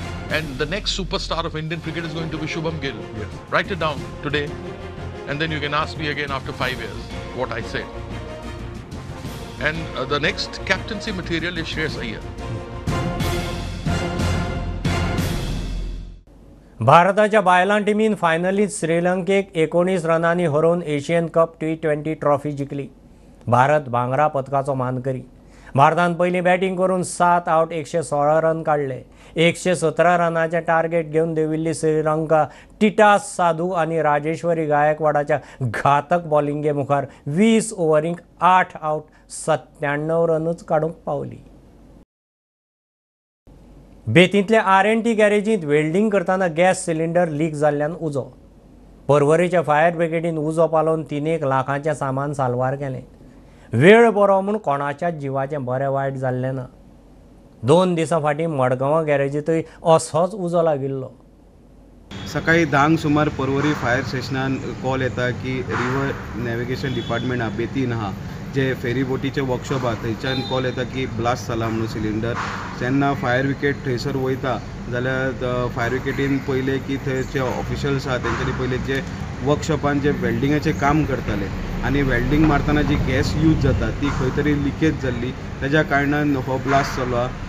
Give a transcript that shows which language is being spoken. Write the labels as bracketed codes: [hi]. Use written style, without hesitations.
[en] And the next superstar of Indian cricket is going to be Shubham Gill. Yes. Write it down today. And then you can ask me again after 5 years what I said. And the next captaincy material is Shreyas Iyer. [gom] भारताच्या बायलां टीमीन फायनलीत श्रीलंकेक 19 रनांनी हरोवन Asian cup T20 trophy जिंकली. भारत भांगरा पदकाचो मान करी. भारतान पहिली batting करून 7 out 116 run काढले. 117 रनांचे target घेऊन देविल्ली श्रीलंका टिटास साधू आणि राजेश्वरी गायकवाडाच्या घातक बॉलिंगे मुखार 20 ओव्हरींक 8 out 97 रनच काढूंक पावली. बेतींतल्या R&T गॅरेजींत वेल्डींग करताना गॅस सिलिंडर लीक जाल्ल्यान उजो. परवरेच्या फायर ब्रिगेडीन उजो पालोवन 3,00,000 सामान सालवार केलें. वेळ बरो म्हूण कोणाच्याच जिवाचें बरें वायट जाल्लें ना. 2 दिसां फाटीं मडगांवां गॅरेजींतूय असोच उजो लागिल्लो. सकाळी 10 सुमार परवरी फायर स्टेशनान कॉल येता की रिवर नॅव्हिगेशन डिपार्टमेंट आसा बेतीन आसा जे फेरीबोटीचे वर्कशॉप आसा थंयच्यान कॉल येता की ब्लास्ट जाला म्हणून सिलिंडर. जेन्ना फायर ब्रिगेड थंयसर वयता जाल्यार फायर ब्रिगेडीन पयले की थंय जे ऑफिशियल्स आसा तेंच्यांनी पयले जे वर्कशॉपान जे वेल्डिंगाचे काम करताले आनी वेल्डींग मारतना जी गॅस यूज जाता ती खंय तरी लिकेज जाल्ली तेज्या कारणान हो ब्लास्ट जाल्लो.